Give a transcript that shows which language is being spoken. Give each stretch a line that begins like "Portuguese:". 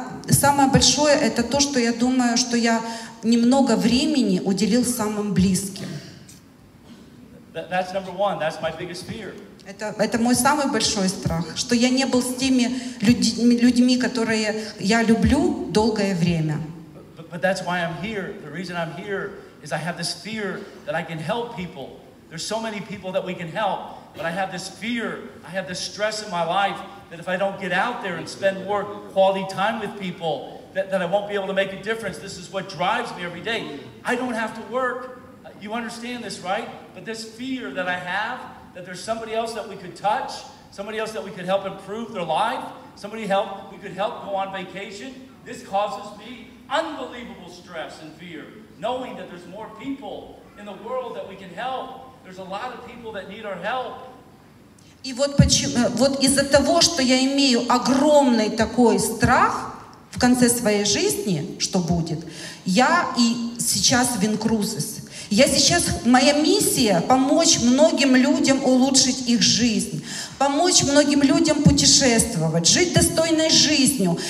Russian: Самое большое — это то, что я думаю, что я немного времени уделил самым близким.
English: That's number one. That's my biggest fear.
Russian: Это мой самый большой страх, что я не был с теми людьми, которые я люблю долгое время.
English: But, But that's why I'm here. The reason I'm here is I have this fear that I can help people. There's so many people that we can help, but I have this fear, I have this stress in my life that if I don't get out there and spend more quality time with people, that I won't be able to make a difference. This is what drives me every day. I don't have to work. You understand this, right? But this fear that I have, that there's somebody else that we could touch, somebody else that we could help improve their life, we could help go on vacation, this causes me unbelievable stress and fear, knowing that there's more people in the world that we can help. There's a lot of people that need our help.
Russian: И вот почему, вот из-за того, что я имею огромный такой страх в конце своей жизни, что будет, я и сейчас в инкрузис. Я сейчас, моя миссия — помочь многим людям улучшить их жизнь, помочь многим людям путешествовать, жить достойной жизнью.